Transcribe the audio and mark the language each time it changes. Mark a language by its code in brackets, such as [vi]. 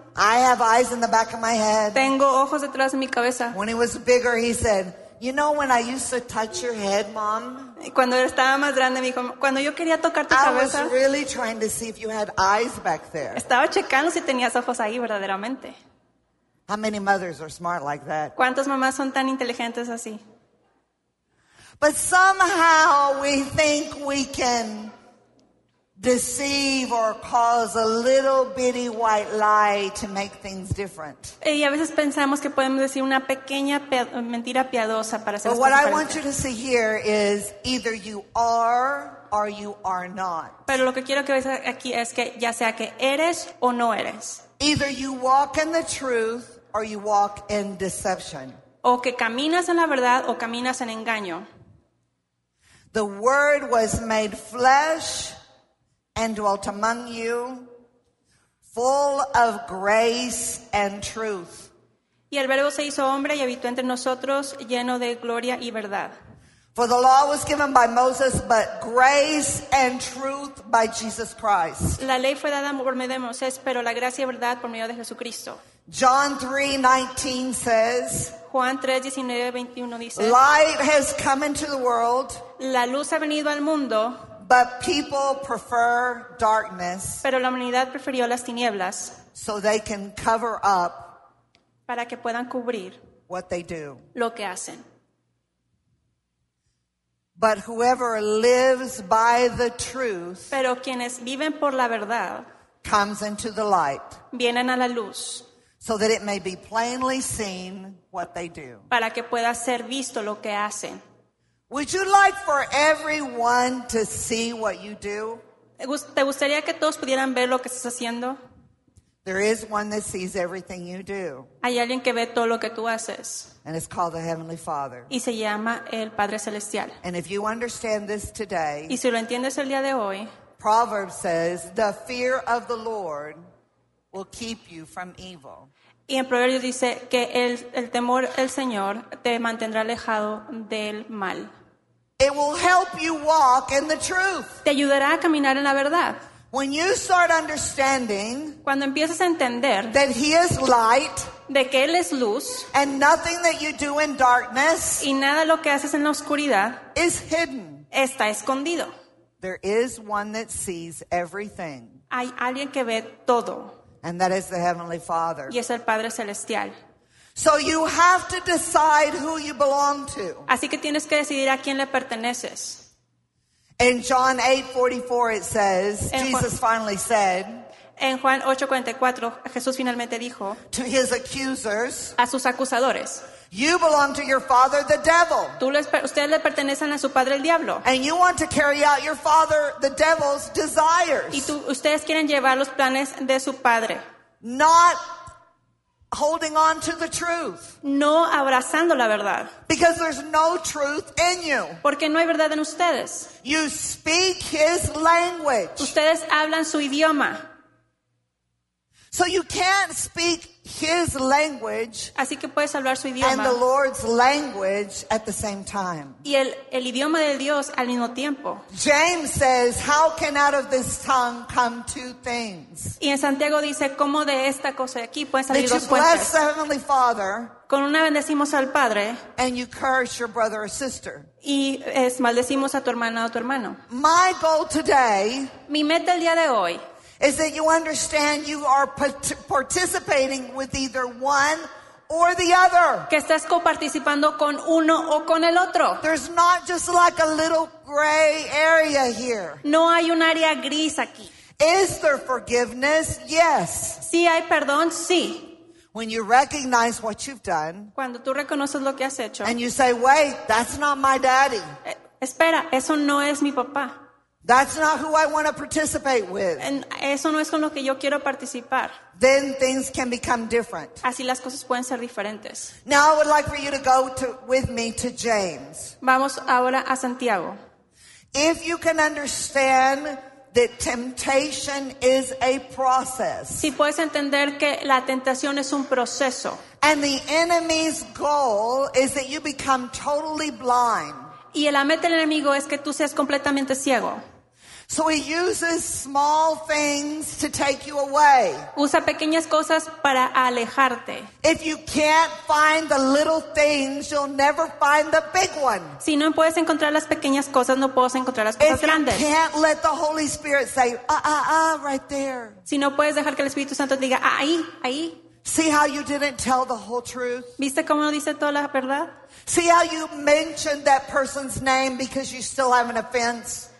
[en] I have eyes in the back of my head. [es] Tengo ojos detrás de mi cabeza. [en] When he was bigger, he said, you know when I used to touch your head, Mom? [es] Cuando estaba más grande, me dijo, cuando yo quería tocar tu cabeza, [en] I was really trying to see if you had eyes back there. [es] Estaba checando si tenías ojos ahí verdaderamente. [en] How many mothers are smart like that? [es] ¿Cuántas mamás son tan inteligentes así? [en] But somehow we think we can deceive or cause a little bitty white lie to make things different. [es] Y a veces pensamos que podemos decir una pequeña mentira piadosa para hacer. [en] But what I want you to see here is either you are or you are not. [es] Pero lo que quiero que veas aquí es que ya sea que eres o no eres. [en] Either you walk in the truth or you walk in deception. [es] O que caminas en la verdad o caminas en engaño. [en] The word was made flesh and dwelt among you, full of grace and truth. [es] Y el verbo se hizo hombre y habitó entre nosotros, lleno de gloria y verdad. [en] For the law was given by Moses, but grace and truth by Jesus Christ. [es] La ley fue dada por medio de Moisés, pero la gracia y verdad por medio de Jesucristo. [en] John 3:19 says, [es] Juan 3:19-21 dice, [en] light has come into the world. [es] La luz ha venido al mundo. [en] But people prefer darkness. [es] Pero la humanidad prefirió las tinieblas. [en] So they can cover up. [es] Para que puedan cubrir. [en] What they do. [es] Lo que hacen. [en] But whoever lives by the truth. [es] Pero quienes viven por la verdad. [en] Comes into the light. [es] Vienen a la luz. [en] So that it may be plainly seen what they do. [es] Para que pueda ser visto lo que hacen. [en] Would you like for everyone to see what you do? [es] ¿Te gustaría que todos pudieran ver lo que estás haciendo? [en] There is one that sees everything you do. [es] Hay alguien que ve todo lo que tú haces. [en] And it's called the Heavenly Father. [es] Y se llama el Padre Celestial. [en] And if you understand this today, [es] y si lo entiendes el día de hoy, [en] Proverbs says, the fear of the Lord will keep you from evil. [es] Y en Proverbios dice que el temor del Señor te mantendrá alejado del mal. [en] It will help you walk in the truth. [es] Te ayudará a caminar en la verdad. [en] When you start understanding, [es] cuando empiezas a entender [en] that he is light, [es] de que él es luz, [en] and nothing that you do in darkness, [es] y nada lo que haces en la oscuridad [en] is hidden. [es] Está escondido. [en] There is one that sees everything. [es] Hay alguien que ve todo. [en] And that is the Heavenly Father. [es] Y es el Padre Celestial. [en] So you have to decide who you belong to. [es] Así que tienes que decidir a quién le perteneces. [en] In John 8:44 it says, Jesus finally said, [es] en Juan 8:44 Jesús finalmente dijo, [en] to his accusers, [es] a sus acusadores, [en] you belong to your father, the devil. [es] Ustedes le pertenecen a su padre, el diablo. [en] And you want to carry out your father, the devil's desires. [es] Y ustedes quieren llevar los planes de su padre. [en] Not holding on to the truth. [es] No abrazando la verdad. [en] Because there's no truth in you. [es] Porque no hay verdad en ustedes. [en] You speak his language. [es] Ustedes hablan su idioma. [en] So you can't speak his language. [es] Así que puedes hablar su idioma. [en] And the Lord's language at the same time. [es] Y el idioma de Dios al mismo tiempo. [en] James says, how can out of this tongue come two things? [es] Y en Santiago dice, ¿cómo de esta cosa de aquí pueden salir dos cosas? [en] That you bless the Heavenly Father. [es] Con una bendecimos al Padre. [en] And you curse your brother or sister. [es] Y maldecimos a tu hermana o tu hermano. [en] My goal today. [es] Mi meta el día de hoy. [en] Is that you understand you are participating with either one or the other. [es] Que estás coparticipando con uno o con el otro. [en] There's not just like a little gray area here. [es] No hay un área gris aquí. [en] Is there forgiveness? Yes. [es] Sí hay perdón, sí. [en] When you recognize what you've done. [es] Cuando tú reconoces lo que has hecho. [en] And you say, wait, that's not my daddy. [es] Espera, eso no es mi papá. [en] That's not who I want to participate with. [es] En eso no es con lo que yo quiero participar. [en] Then things can become different. [es] Así las cosas pueden ser diferentes. [en] Now I would like for you to go with me to James. [es] Vamos ahora a Santiago. [en] If you can understand that temptation is a process. [es] Si puedes entender que la tentación es un proceso. [en] And the enemy's goal is that you become totally blind. [es] Y la meta del enemigo es que tú seas completamente ciego. [en] So he uses small things to take you away. [es] Usa pequeñas cosas para alejarte. [en] If you can't find the little things, you'll never find the big one. [es] Si no puedes encontrar las pequeñas cosas, no puedes encontrar las cosas grandes. [en] If you can't let the Holy Spirit say, right there. [es] Si no puedes dejar que el Espíritu Santo diga, ahí, ahí. [en] See how you didn't tell the whole truth? [es] ¿Viste cómo no dice toda la verdad? [en] See how you mentioned that person's name because you still have an offense?